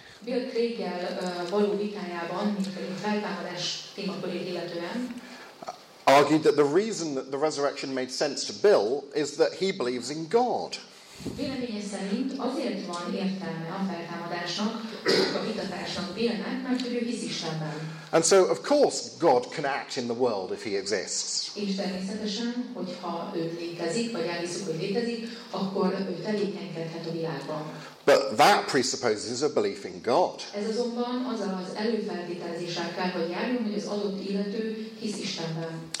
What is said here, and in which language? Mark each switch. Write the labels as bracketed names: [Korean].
[Hungarian] Bill Craig-gel való vitájában, mint pedig feltámadás témakörét illetően, [English] argued that the reason that the resurrection made sense to Bill is that he believes in God. [Hungarian] Véleménye szerint azért van értelme a feltámadásnak, a vitatásnak Billnek, mert hogy ő hisz Istenben. [English] And so, of course, God can act in the world if he exists. [Hungarian] És természetesen, hogyha ő létezik, vagy elhiszük, hogy létezik, akkor ő tevékenykedhet a világban. [English] But that presupposes a belief in God. [Hungarian] Ez azonban azzal az előfeltételezéssel kell, hogy járjon, hogy az adott illető hisz Istenben.